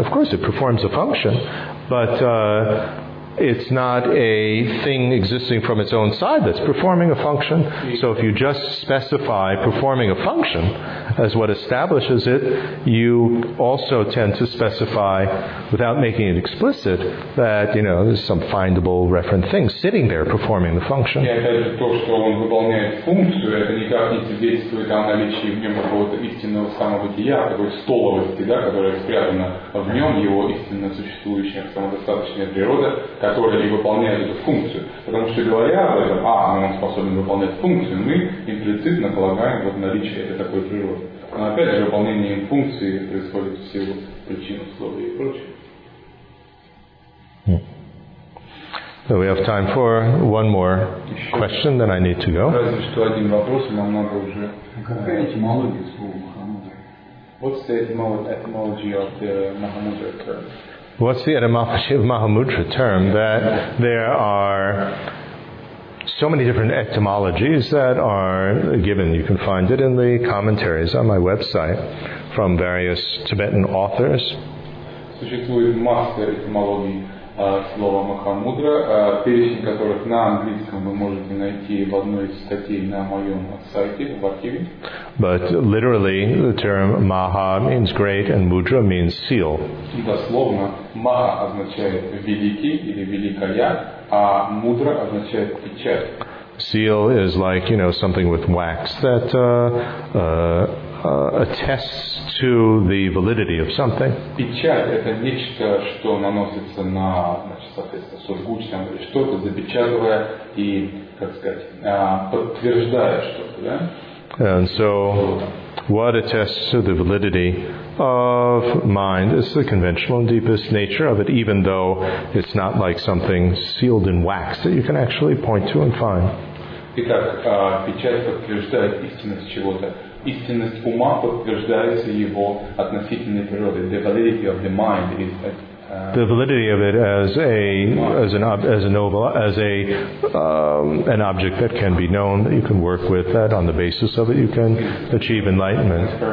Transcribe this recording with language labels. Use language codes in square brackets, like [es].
[en] Of course, it performs a function, but it's not a thing existing from its own side that's performing a function. So if you just specify performing a function as what establishes it, you also tend to specify, without making it explicit, that, you know, there's some findable referent thing sitting there performing the function. [ru] И опять же, то, что он выполняет функцию, это никак не свидетельствует о наличии в нем какого-то истинного самобытия, такой столовости, да, которая спрятана в нем, его истинно существующая самодостаточная природа, которая и выполняет эту функцию. Потому что говоря об этом, он способен выполнять функцию, мы имплицитно полагаем вот наличие этой такой природы. Но опять же, выполнение функции происходит в силу причин, условий и прочее. [en] So we have time for one more question, then I need to go. [ru] Разве что один вопрос, и нам надо уже... Какая этимология слова махамудре? [en] What's the etymology of the махамудре term? What's the etymology of Mahamudra term? That there are so many different etymologies that are given. You can find it in the commentaries on my website from various Tibetan authors. [ru] Существует масса этимологий слова Mahamudra, перечень которых на английском вы можете найти в одной из статей на моем сайте в архиве. [en] But literally, the term maha means great, and mudra means seal. [ru] Дословно, maha означает великий или великая, а mudra означает печать. [en] Seal is like, you know, something with wax that attests to the validity of something. [ru] Печать — это нечто, что наносится на, значит, соответственно, сургуч там или что-то, запечатывая и, как сказать, подтверждая что-то, да? [en] And so, what attests to the validity of mind is the conventional and deepest nature of it, even though it's not like something sealed in wax that you can actually point to and find. [ru] Итак, печать подтверждает истинность чего-то. Истинность ума подтверждается его относительной природой. [en] The validity of the mind is that. The validity of it as an object that can be known, that you can work with, that on the basis of it you can achieve enlightenment.